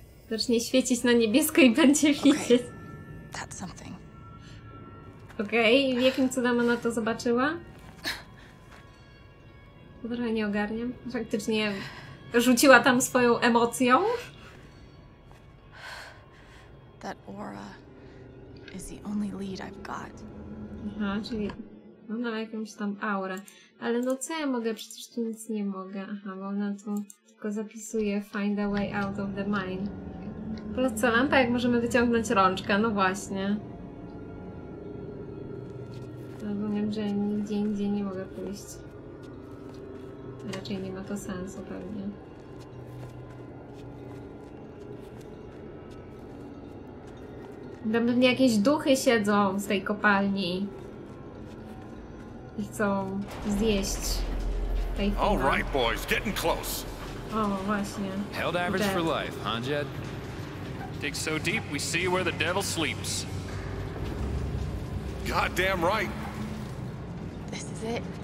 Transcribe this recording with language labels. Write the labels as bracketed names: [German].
[Polish] Zacznie świecić na niebiesko i będzie widzieć. [English] That's something. [Polish] Okej, okay. W jakim cudem ona to zobaczyła? Dobra, nie ogarniam. Faktycznie rzuciła tam swoją emocją. [English] That aura is the only lead I've got. [Polish] Aha, czyli ona ma jakąś tam aurę. Ale no co ja mogę? Przecież tu nic nie mogę. Aha, bo ona tu tylko zapisuje [English] find a way out of the mine. [Polish] Plus co, lampa, jak możemy wyciągnąć rączkę? No właśnie. Albo wiem, że nigdzie indziej nie mogę pójść. Raczej nie ma to sensu pewnie. Tam pewnie jakieś duchy siedzą z tej kopalni. I chcą zjeść tej chwili. [English] All right, boys, getting close. [Polish] O, właśnie. [English] Hell divers for life, huh, Jed? Dig so deep, we see where the devil sleeps. Goddamn right. This is it.